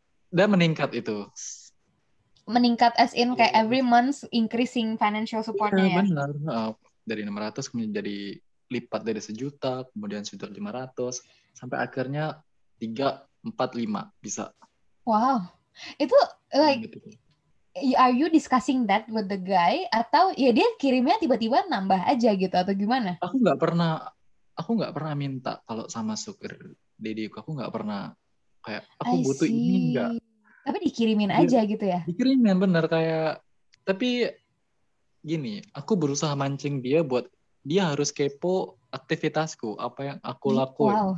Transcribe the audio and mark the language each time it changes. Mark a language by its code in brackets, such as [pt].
[id] Dan meningkat itu. Meningkat [en] as in [id] kayak [en] every month increasing [id] financial supportnya ya. Benar. Dari 600 menjadi lipat dari 1 juta, kemudian 1.500.000, sampai akhirnya 3, 4, 5 bisa. [en] Wow, [id] itu [en] like, are you discussing that with the guy? [id] Atau ya dia kirimnya tiba-tiba nambah aja gitu, atau gimana? Aku gak pernah minta kalau sama sugar daddy-ku, aku gak pernah kayak, aku [en] I [id] butuh [en] see. [id] Ini enggak. Tapi dikirimin aja gitu ya? Dikirimin, benar kayak, tapi gini, aku berusaha mancing dia buat dia harus kepo aktivitasku, apa yang aku lakuin.